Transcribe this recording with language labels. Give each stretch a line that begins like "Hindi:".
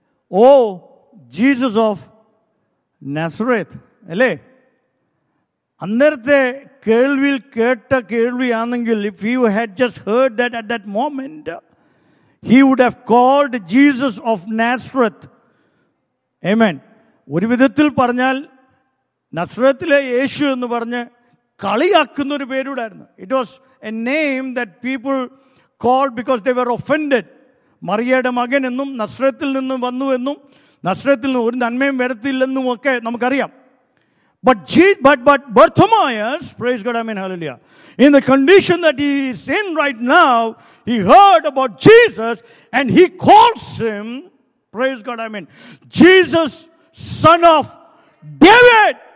English: Oh, Jesus of Nazareth. അല്ലേ?
Malayalam: അന്നേരത്തെ കേൾവിയിൽ കേട്ട കേൾവിയാണെങ്കിൽ,
English: if you had just heard that at that moment, he would have called Jesus of Nazareth. Amen.
Malayalam: ഒരു വിധത്തിൽ പറഞ്ഞാൽ നസ്രത്തിലെ യേശു എന്ന് പറഞ്ഞ് കളിയാക്കുന്ന ഒരു പേരൂടായിരുന്നു.
English: It was a name that people called because they were offended.
Malayalam: മറിയയുടെ മകൻ എന്നും നസ്രത്തിൽ നിന്നും വന്നു എന്നും നസ്രത്തിൽ നിന്ന് ഒരു നന്മയും വരത്തില്ലെന്നും ഒക്കെ നമുക്കറിയാം.
English: But Bartimaeus, praise God, amen, hallelujah. In the condition that he is in right now, he heard about Jesus and he calls him, praise God, amen, Jesus, son of David.